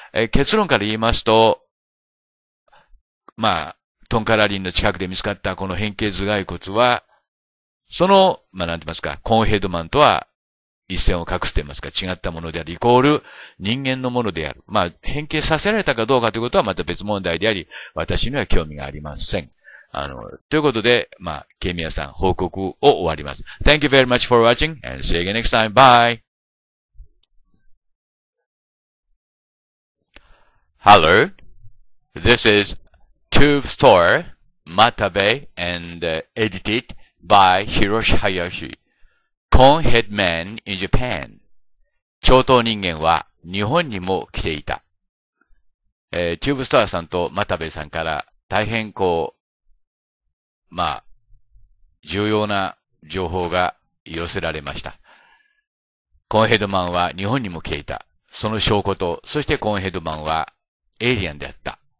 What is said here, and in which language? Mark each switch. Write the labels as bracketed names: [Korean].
[Japanese] 結論から言いますと、まあ、トンカラリンの近くで見つかったこの変形頭蓋骨は、その、まあ、なんて言いますか、コーンヘッドマンとは一線を画していますか、違ったものであり、イコール人間のものである。まあ、変形させられたかどうかということはまた別問題であり、私には興味がありません。ということで、まあ、ケミヤさん、報告を終わります。 [English] Thank you very much for watching, and see you again next time. Bye! Hello, this is Tube Store, Matabe, and edited by Hiroshi Hayashi, Corn Head Man in Japan. [Japanese] 超頭人間は日本にも来ていた。 Tube Store さんと Matabe さんから大変こう、まあ、重要な情報が寄せられました。コーンヘッドマンは日本にも来ていた。その証拠と、そしてコーンヘッドマンはエイリアンであった。